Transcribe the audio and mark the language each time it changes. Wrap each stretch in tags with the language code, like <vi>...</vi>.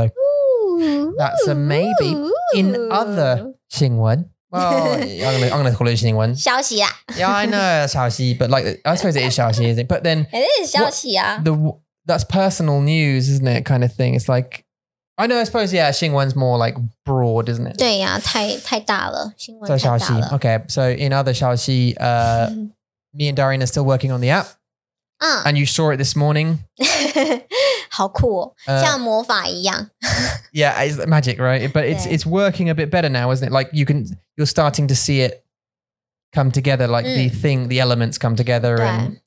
<en>So that's a maybe. In other 新闻, well, I'm gonna call it 新闻.</en> <zh>消息啊。</zh> <en>Yeah, I know, 消息, but like, I suppose it is 消息, isn't it? But then,</en> <zh>it is 消息啊。</zh> <en>That's personal news, isn't it, kind of thing. It's like, I know, I suppose, yeah, 新闻's more like broad, isn't it?</en> <zh>对啊, 太大了, 新闻太大了。</zh> <en>So 消息, okay, so in other 消息, me and Darian are still working on the app. And you saw it this morning.</en> <zh>好酷哦，像魔法一样。</zh> <en>Yeah, it's magic, right? But it's working a bit better now, isn't it? Like you're starting to see it come together, like the thing, the elements come together and</en>